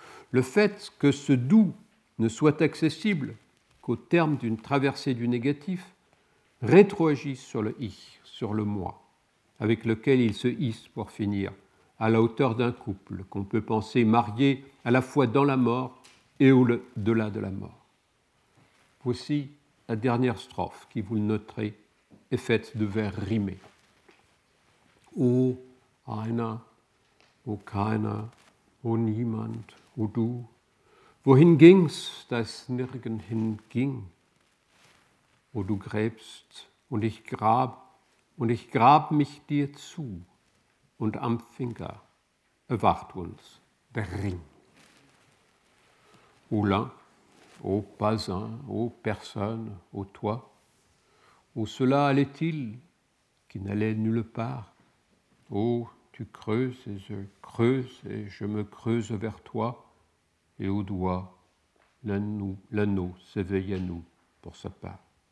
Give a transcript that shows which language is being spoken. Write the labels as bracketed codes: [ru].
[fr] Le fait que ce du ne soit accessible qu'au terme d'une traversée du négatif rétroagit sur le ich, sur le moi, avec lequel il se hisse pour finir, à la hauteur d'un couple qu'on peut penser marié à la fois dans la mort et au-delà de la mort. Voici la dernière strophe qui, vous le noterez, est faite de vers rimés. [de] O einer, o keiner, o niemand, o du, wohin ging's, das nirgendhin ging, o du gräbst, und ich grab, und ich grab mich dir zu, und am Finger erwacht uns der Ring. [fr] O l'un, ô pas un, ô personne, ô toi, où cela allait-il, qui n'allait nulle part? Ô, tu creuses, et je me creuse vers toi, et au doigt, l'anneau s'éveille à nous pour sa part.